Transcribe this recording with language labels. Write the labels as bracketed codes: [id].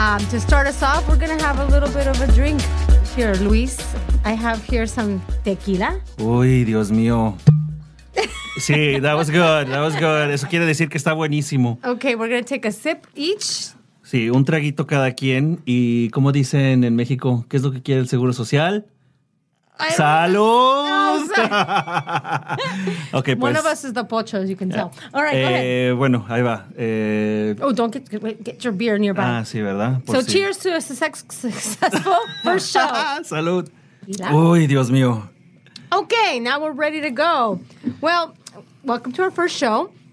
[en] To start us off, we're going to have a little bit of a drink here, Luis. I have here some tequila. [es] Uy, Dios mío. Sí, [en] that was good. That was good. [es] Eso quiere decir que está buenísimo. [en] Okay, we're going to take a sip each. [es] Sí, un traguito cada quien. Y como dicen en México, ¿qué es lo que quiere el Seguro Social? ¡Salud! [en] No, okay, pues. One of us is the pocho, as you can tell. All right, go ahead. [es] Bueno, ahí va. [en] Don't get your beer nearby. [es] Ah, sí, ¿verdad? Por so sí. [en] Cheers to a successful first show. [es] ¡Salud! ¡Uy, Dios mío! [en] Okay, now we're ready to go. Well, welcome to our first show.